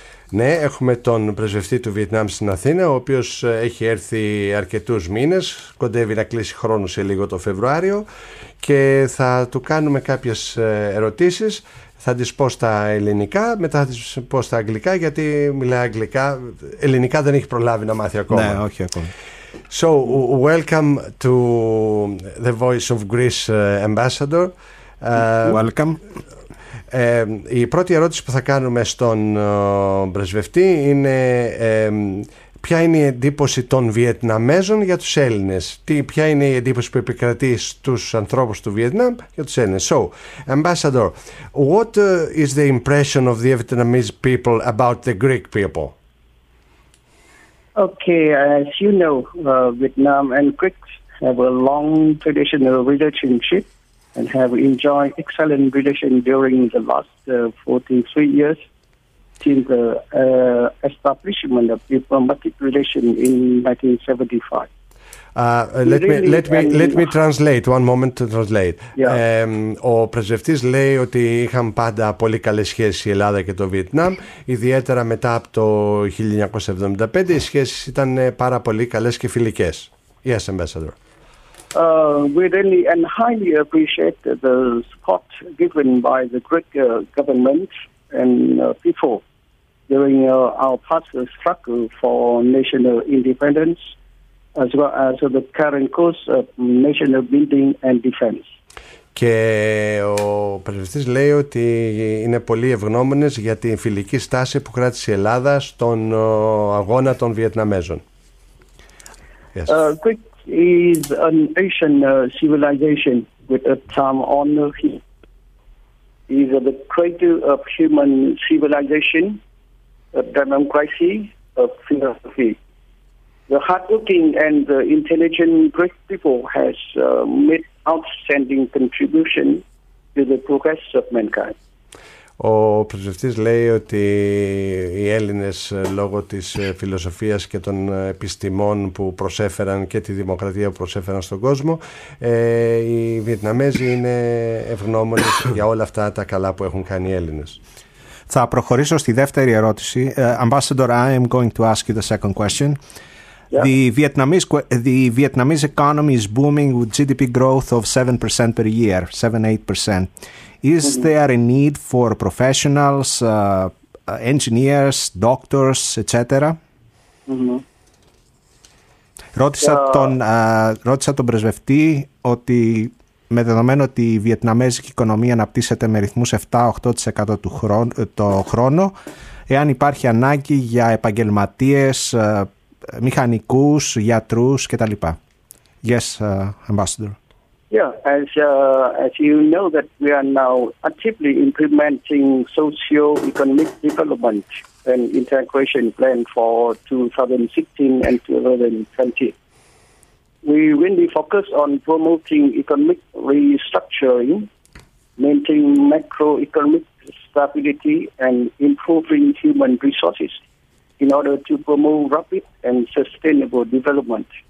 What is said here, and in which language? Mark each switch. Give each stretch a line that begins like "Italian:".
Greek: Ναι, έχουμε τον πρεσβευτή του Βιετνάμ στην Αθήνα, ο οποίος έχει έρθει αρκετούς μήνες, κοντεύει να κλείσει χρόνο σε λίγο το Φεβρουάριο και θα του κάνουμε κάποιες ερωτήσεις. Θα τις πω στα ελληνικά, μετά θα τις πω στα αγγλικά, γιατί μιλάει αγγλικά. Ελληνικά δεν έχει προλάβει να μάθει ακόμα. Ναι, όχι ακόμα.
English: So, welcome to the Voice of Greece Ambassador. Welcome.
Greek: Η πρώτη ερώτηση που θα κάνουμε στον πρεσβευτή είναι ποια είναι η εντύπωση των Βιετναμέζων για τους Έλληνες. Ποια είναι η εντύπωση που επικρατεί στους ανθρώπους του Βιετνάμ για τους Έλληνες.
English: So, Ambassador, what is the impression of the Vietnamese people about the Greek people? Okay, as you know, Vietnam and Greeks have a long traditional relationship and have enjoyed excellent relations during the last 43 years. Since the establishment of diplomatic relations in 1975. Let me translate, one moment to translate. Yeah.
Greek: Ο πρεσβευτής λέει ότι είχαν πάντα πολύ καλές σχέσεις η Ελλάδα και το Βιετνάμ, ιδιαίτερα μετά από το 1975, οι σχέσεις ήταν πάρα πολύ καλές και φιλικές.
English: Yes, Ambassador. We really and highly appreciate the support given by the Greek government and people during our past struggle for national independence, as well as the current course of national building and defense.
Greek: Και ο πρεσβευτής λέει ότι είναι πολύ ευγνώμονες για την φιλική στάση που κράτησε η Ελλάδα στον αγώνα των Βιετναμέζων.
English: Yes. Greek is an ancient civilization with a time-honored history. is the cradle of human civilization, of democracy, of philosophy. The hardworking and intelligent great people has made outstanding contribution to the progress of mankind.
Greek: Ο πρεσβευτής λέει ότι οι Έλληνες λόγω της φιλοσοφίας και των επιστημών που προσέφεραν και τη δημοκρατία που προσέφεραν στον κόσμο, οι Βιετναμέζοι είναι ευγνώμονες για όλα αυτά τα καλά που έχουν κάνει οι Έλληνες. Θα προχωρήσω στη δεύτερη ερώτηση.
English: Ambassador, I am going to ask you the second question. Yeah. The Vietnamese economy is booming with GDP growth of 7% per year, 7-8%. Is there a need for professionals, engineers, doctors, etc.?
Greek: Ρώτησα τον πρεσβευτή ότι με δεδομένο ότι η βιετναμέζικη οικονομία αναπτύσσεται με ρυθμούς 7-8% το χρόνο, εάν υπάρχει ανάγκη για επαγγελματίες, μηχανικούς, γιατρούς κτλ.
English: Yes, Ambassador. Yeah, as you know that we are now actively implementing socio-economic development and integration plan for 2016 and 2020. We really focus on promoting economic restructuring, maintaining macroeconomic stability and improving human resources in order to promote rapid and sustainable development.